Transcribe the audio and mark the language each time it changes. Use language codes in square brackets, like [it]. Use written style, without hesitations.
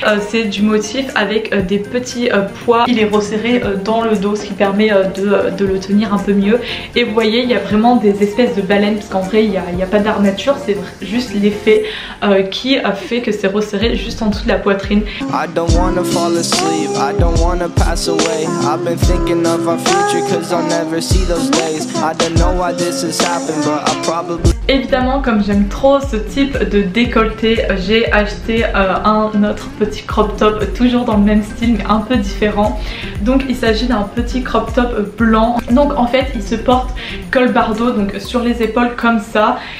[fr] C'est du motif avec des petits pois. Il est resserré dans le dos, ce qui permet de le tenir un peu mieux. Et vous voyez il y a vraiment des espèces de baleines, parce qu'en vrai il n'y a pas d'armature, c'est juste l'effet qui fait que c'est resserré juste en dessous de la poitrine. [en] I don't wanna fall asleep, I don't wanna pass away. I've been thinking of our future, cause I'll never see those days. I don't know why this has happened, but I probably... [fr] Évidemment, comme j'aime trop ce type de décolleté, j'ai acheté un autre petit crop top, toujours dans le même style mais un peu différent. Donc il s'agit d'un petit crop top blanc. Donc en fait il se porte col bardo, donc sur les épaules comme ça.